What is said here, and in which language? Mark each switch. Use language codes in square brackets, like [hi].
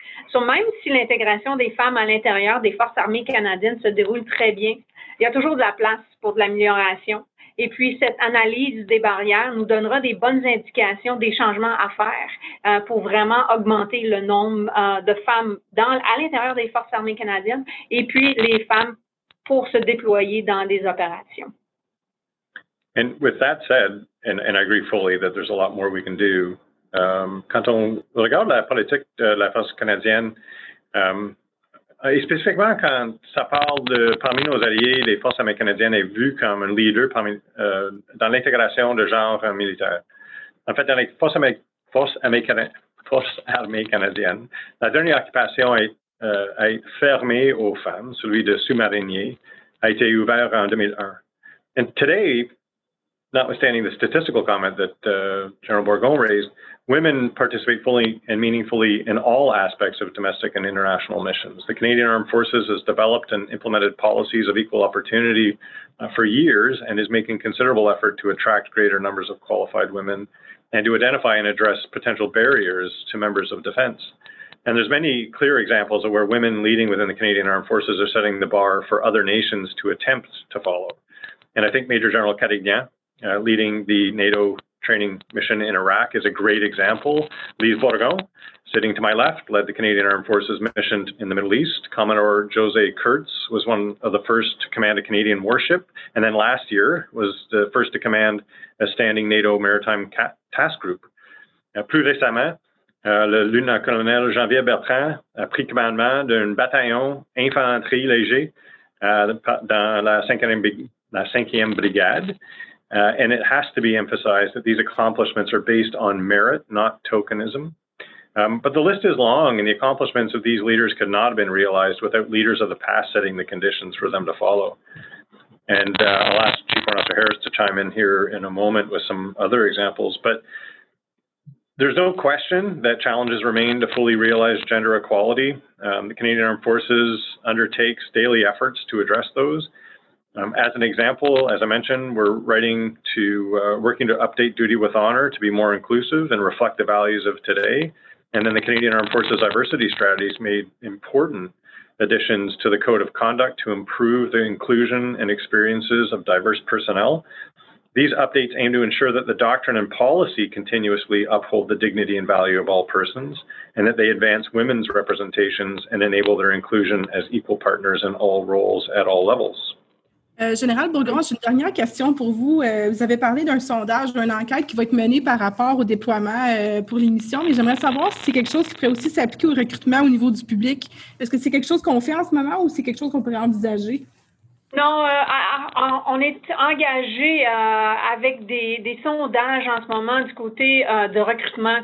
[fr] So même si l'intégration des femmes à l'intérieur des Forces armées canadiennes se déroule très bien, il y a toujours de la place pour de l'amélioration. Et puis, cette analyse des barrières nous donnera des bonnes indications des changements à faire pour vraiment augmenter le nombre de femmes à l'intérieur des Forces armées canadiennes et puis les femmes pour se déployer dans des opérations. [en] And with that said, and I agree fully that there's a lot more we can do. [fr] Quand on regarde la politique de la force canadienne, et spécifiquement quand ça parle de parmi nos alliés, les forces armées canadiennes est vue comme un leader parmi, dans l'intégration de genre militaire. En fait, dans les forces armées canadiennes, la dernière occupation a été fermée aux femmes, celui de sous-marinier, a été ouvert en 2001. [en] And today, notwithstanding the statistical comment that General Bourgon raised, women participate fully and meaningfully in all aspects of domestic and international missions. The Canadian Armed Forces has developed and implemented policies of equal opportunity for years and is making considerable effort to attract greater numbers of qualified women and to identify and address potential barriers to members of defense. And there's many clear examples of where women leading within the Canadian Armed Forces are setting the bar for other nations to attempt to follow. And I think Major General Carignan, leading the NATO training mission in Iraq, is a great example. Lise Bourgon, sitting to my left, led the Canadian Armed Forces mission in the Middle East. Commodore José Kurtz was one of the first to command a Canadian warship, and then last year was the first to command a standing NATO maritime task group. [fr] Plus récemment, le lieutenant-colonel Jean-Pierre Bertrand a pris commandement d'un bataillon infanterie léger dans la 5e Brigade. [en] And it has to be emphasized that these accomplishments are based on merit, not tokenism. But the list is long, and the accomplishments of these leaders could not have been realized without leaders of the past setting the conditions for them to follow. And I'll ask Chief Warrant Officer Harris to chime in here in a moment with some other examples. But there's no question that challenges remain to fully realize gender equality. The Canadian Armed Forces undertakes daily efforts to address those. As an example, as I mentioned, we're working to update Duty with Honor to be more inclusive and reflect the values of today. And then the Canadian Armed Forces Diversity Strategy is made important additions to the code of conduct to improve the inclusion and experiences of diverse personnel. These updates aim to ensure that the doctrine and policy continuously uphold the dignity and value of all persons, and that they advance women's representations and enable their inclusion as equal partners in all roles at all levels. [fr] Général Bourgogne, j'ai une dernière question pour vous. Vous avez parlé d'un sondage, d'une enquête qui va être menée par rapport au déploiement pour l'émission, mais j'aimerais savoir si c'est quelque chose qui pourrait aussi s'appliquer au recrutement au niveau du public. Est-ce que c'est quelque chose qu'on fait en ce moment ou c'est quelque chose qu'on pourrait envisager? Non, on est engagé avec des sondages en ce moment du côté de recrutement.